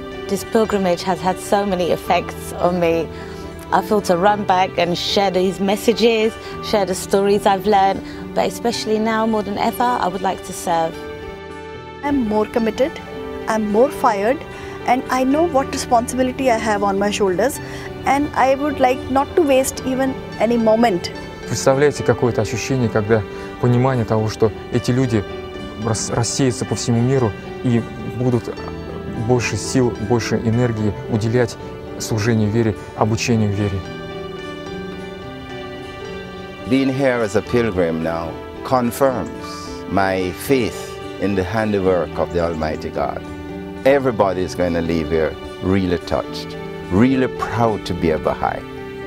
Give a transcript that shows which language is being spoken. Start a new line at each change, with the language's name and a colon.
English: This pilgrimage has had so many effects on me. I feel to run back and share these messages, share the stories I've learned, but especially now more than ever, I would like to serve. I'm more committed, I'm more fired, and I know what responsibility I have on my shoulders, and I would like not to waste even any moment.
Russian: Представляете, какое-то ощущение, когда понимание того, что эти люди рассеются по всему миру и будут больше сил, больше энергии уделять служению вере, обучению вере.
English: Being here as a pilgrim now confirms my faith in the handiwork of the Almighty God. Everybody is going to leave here really touched, really proud to be a Baha'i.